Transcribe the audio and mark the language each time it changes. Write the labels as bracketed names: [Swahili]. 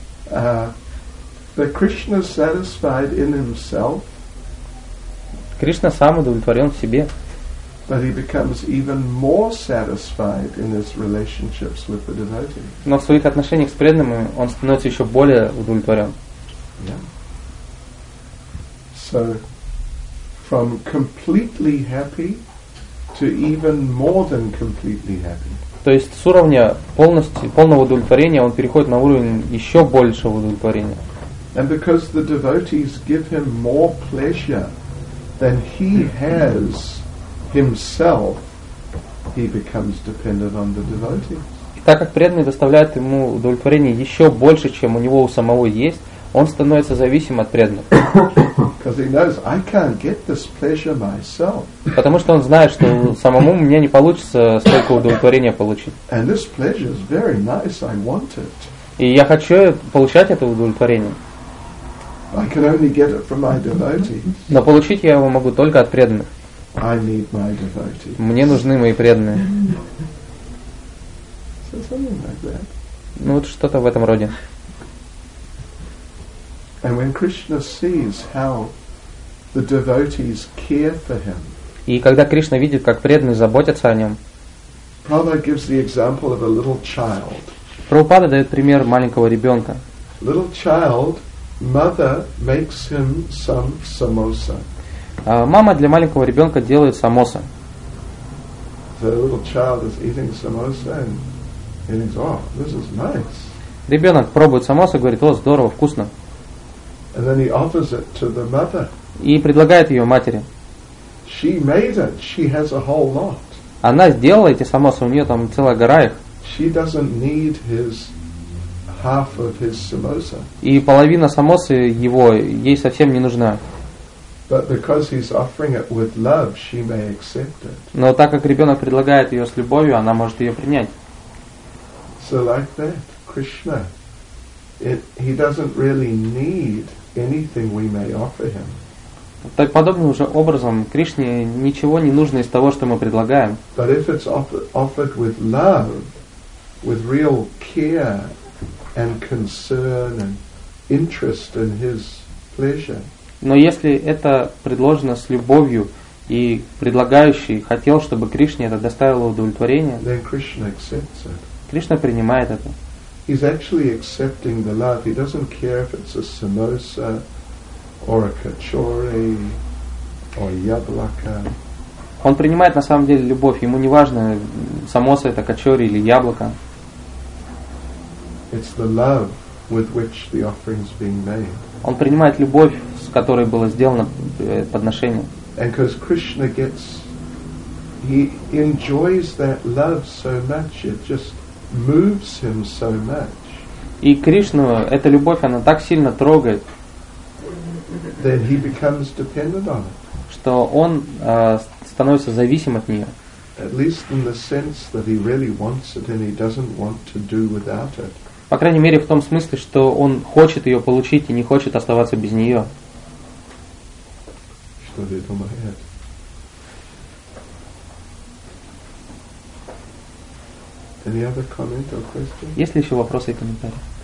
[English] The Krishna satisfied in himself. [Russian] Кришна сам удовлетворен в себе. [English] But he becomes even more satisfied in his relationships with the devotee. [Russian] Но в своих отношениях с преданными он становится еще более удовлетворен. [English] So, from completely happy to even more than completely happy. [Russian] То есть с уровня полного удовлетворения он переходит на уровень еще большего удовлетворения. [English] And because the devotees give him more pleasure than he has himself, he becomes dependent on the devotees. [Russian] И так как преданный доставляет ему удовлетворение еще больше, чем у него у самого есть, он становится зависим от преданных. [English] Because he knows I can't get this pleasure myself. [Russian] Потому что он знает, что самому мне не получится столько удовлетворения получить. [English] And this pleasure is very nice. I want it. [Russian] И я хочу получать это удовлетворение. [English] I can only get it from my devotees. [Russian] Но получить я его могу только от преданных. [English] I need my devotees. [Russian] Мне нужны мои преданные. [English] So something like that. [Russian] Ну вот что-то в этом роде. [English] And when Krishna sees how the devotees care for him. [Russian] И когда Кришна видит, как преданные заботятся о нем. [English] Prabhupada gives the example of a little child. [Russian] Прабхупада дает пример маленького ребенка. [English] Little child, mother makes him some samosa. [Russian] Мама для маленького ребенка делает самоса. [English] The little child is eating samosa and he thinks, oh, this is nice. [Russian] Ребенок пробует самоса и говорит, о, здорово, вкусно. [English] And then he offers it to the mother. [Russian] И предлагает ее матери. [English] She made it. She has a whole lot. [Russian] Она сделала эти самосы, у нее там целая гора их. [English] She doesn't need his half of his samosa. [Russian] И половина самосы его ей совсем не нужна. [English] But because he's offering it with love, she may accept it. [Russian] Но так как ребенок предлагает ее с любовью, она может ее принять. [English] So like that, Krishna. He doesn't really need anything we may offer him. [Russian] Так подобным же образом Кришне ничего не нужно из того, что мы предлагаем. [English] But if it's offered with love, with real care and concern and interest in his pleasure. [Russian] Но если это предложено с любовью и предлагающий хотел, чтобы Кришне это доставило удовлетворение, [English] then Krishna accepts it. [Russian] Кришна принимает это. [English] He's actually accepting the love. He doesn't care if it's a samosa or a kachori or [Russian] яблоко. Он принимает на самом деле любовь. Ему не важно, самоса это кочори или яблоко. [English] It's the love with which the offering is being made. [Russian] Он принимает любовь, с которой было сделано подношение. [English] And because Krishna gets, he enjoys that love so much, it just moves him so much. [Russian] И Кришну эта любовь, она так сильно трогает. [English] That he becomes dependent on it. [Russian] Что он становится зависим от нее. [English] At least in the sense that he really wants it and he doesn't want to do without it. [Russian] По крайней мере, в том смысле, что он хочет ее получить и не хочет оставаться без нее. Что ты думаешь? [English] Any other comment or question? [Russian] Есть ли еще вопросы и комментарии?